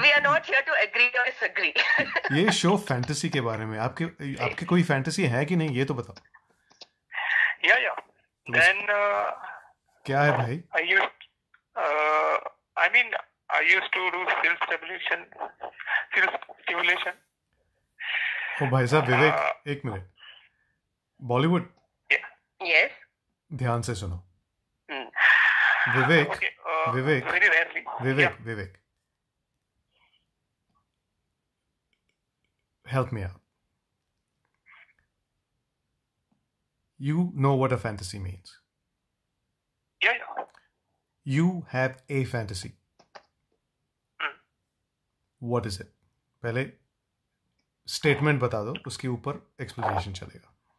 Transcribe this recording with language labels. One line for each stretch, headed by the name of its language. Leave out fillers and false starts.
English: we are not here to agree or disagree.
Hindi: ये show fantasy के बारे में आपके कोई फैंटेसी है कि नहीं ये तो बताओ
English: yeah. Then,
Hindi: क्या है भाई
English: I used to do self stimulation.
Hindi: ओ भाई साहब विवेक एक मिनट बॉलीवुड
English: yes.
Hindi: ध्यान से सुनो
English: Vivek Vivek Vivek Vivek help me out you know what a fantasy means you have a fantasy what is it
Hindi: पहले स्टेटमेंट बता दो उसके ऊपर एक्सप्लेनेशन चलेगा